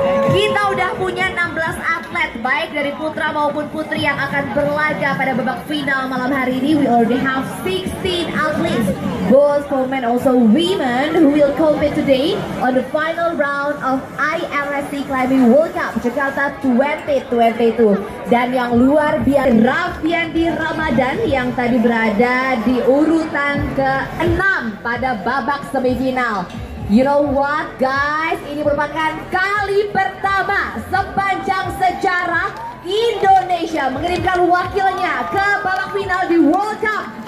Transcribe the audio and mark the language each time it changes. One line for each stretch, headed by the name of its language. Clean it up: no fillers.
Indonesian: Kita udah punya 16 atlet, baik dari putra maupun putri yang akan berlaga pada babak final malam hari ini.
English: We already have 16 athletes, both for men also women, who will compete today on the final round of IFC Climbing World Cup Jakarta 2022.
Indonesian: Dan yang luar biasa, Rafyandi Ramadan yang tadi berada di urutan ke-6 pada babak semifinal.
English: You know what guys,
Indonesian: ini merupakan kali pertama sepanjang sejarah Indonesia mengirimkan wakilnya ke babak final di World Cup.